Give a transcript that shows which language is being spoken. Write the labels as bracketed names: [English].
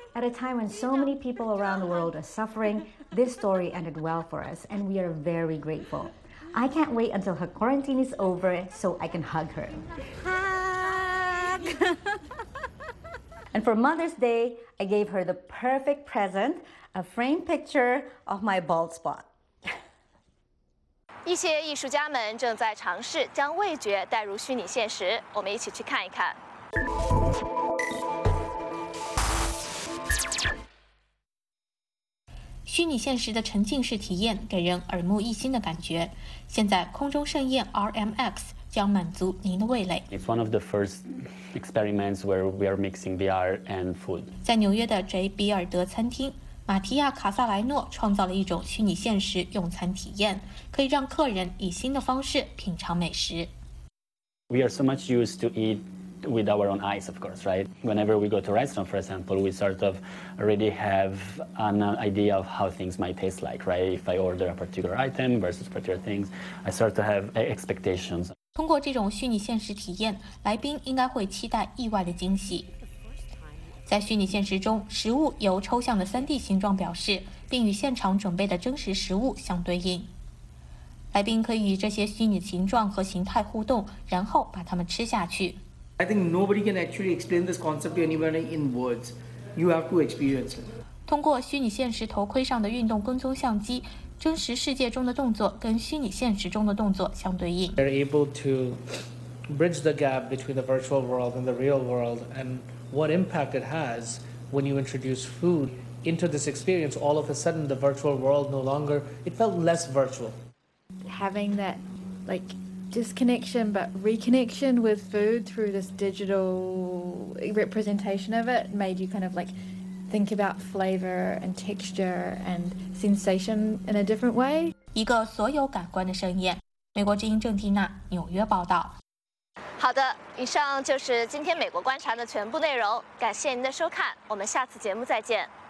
[English] At a time when so many people around the world are suffering, this story ended well for us, and we are very grateful. I can't wait until her quarantine is over so I can hug her. Hug! And for Mother's Day, I gave her the perfect present, a framed picture of my bald spot. [Chinese] 一些艺术家们正在尝试将味觉带入虚拟现实，我们一起去看一看。虚拟现实的沉浸式体验给人耳目一新的感觉。现在空中盛宴 RMX将满足您的味蕾。 [English] It's one of the first experiments where we are mixing VR and food. [Chinese] 在纽约的 J. 比尔德餐厅，马提亚·卡萨莱诺创造了一种虚拟现实用餐体验，可以让客人以新的方式品尝美食。 [English] We are so much used to eat with our own eyes, of course, right? Whenever we go to a restaurant, for example, we sort of already have an idea of how things might taste like, right? If I order a particular item versus particular things, I sort of have expectations. [Chinese] 通过这种虚拟现实体验，来宾应该会期待意外的惊喜。在虚拟现实中，食物由抽象的 3D 形状表示，并与现场准备的真实食物相对应。来宾可以与这些虚拟形状和形态互动，然后把它们吃下去。 [English] I think nobody can actually explain this concept anywhere in words. You have to experience it. [Chinese] 通过虚拟现实头盔上的运动跟踪相机。真实世界中的动作跟虚拟现实中的动作相对应。 [English] They're able to bridge the gap between the virtual world and the real world, and what impact it has when you introduce food into this experience. All of a sudden, the virtual world no longer, it felt less virtual. Having that, like, disconnection but reconnection with food through this digital representation of it made you kind of like. Think about flavor and texture and sensation in a different way. [Chinese] 一个所有感官的盛宴。美国之音郑蒂娜，纽约报道。好的，以上就是今天美国观察的全部内容。感谢您的收看，我们下次节目再见。